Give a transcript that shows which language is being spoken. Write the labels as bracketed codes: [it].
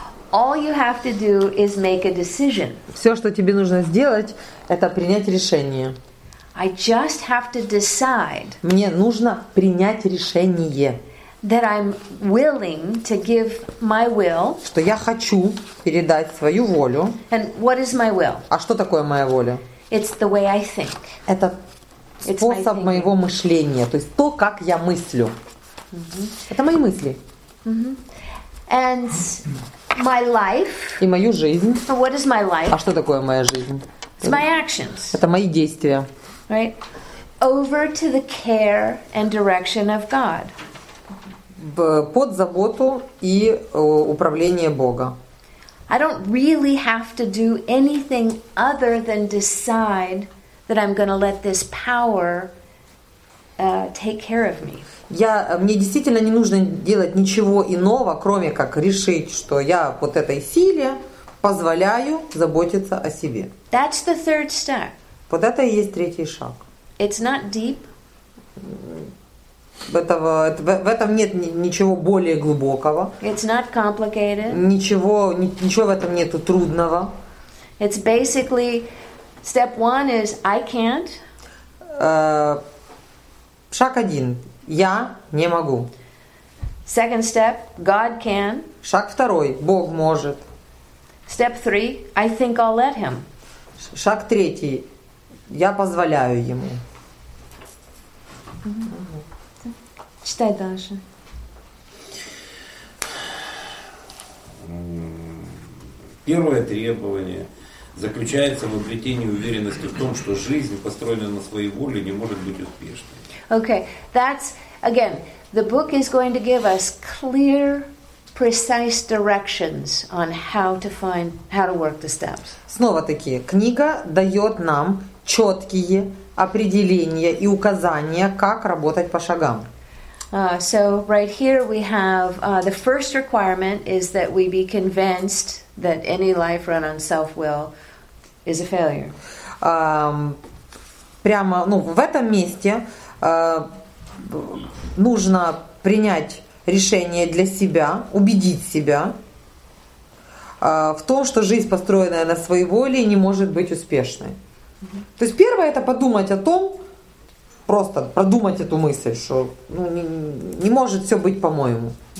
[en] All you have to do is make a decision. [ru] Все, что тебе нужно сделать, это принять решение. [en] I just have to decide. [ru] Мне нужно принять решение. [en] That I'm willing to give my will. [ru] Что я хочу передать свою волю. [en] And what is my will? [ru] А что такое моя воля? [en] It's the way I think. [ru] Это способ моего мышления, то есть то, как я мыслю. Это мои мысли. [en] And my life. [ru] И мою жизнь. [en] So what is my life? [ru] А что такое моя жизнь? [en] It's my actions. [ru] Это мои действия. [en] Right? Over to the care and direction of God. [ru] Под заботу и управление Бога. [en] I don't really have to do anything other than decide that I'm going to let this power take care of me. [ru] Мне действительно не нужно делать ничего иного, кроме как решить, что я вот этой силе позволяю заботиться о себе. [en] That's the third step. [ru] Вот это и есть третий шаг. [en] It's not deep. [ru] В этом нет ничего более глубокого. [en] It's not complicated. [ru] Ничего в этом нету трудного. [en] It's basically step one is I can't. [ru] Шаг один. Я не могу. [en] Second step, God can. [ru] Шаг второй. Бог может. [en] Step three, I think I'll let him. [ru] Шаг третий. Я позволяю ему. Читай дальше. Первое требование заключается в обретении уверенности в том, что жизнь, построенная на своей воле, не может быть успешной. [en] Okay, that's again. The book is going to give us clear, precise directions on how to find, how to work the steps. [ru] Снова таки, книга дает нам четкие определения и указания, как работать по шагам. [en] So right here we have the first requirement is that we be convinced that any life run on self-will is a failure. [ru] Прямо, ну, в этом месте нужно принять решение для себя, убедить себя в том, что жизнь, построенная на своей воле, не может быть успешной. Mm-hmm. То есть первое — это подумать о том, просто продумать эту мысль, что ну, не может все быть по-моему.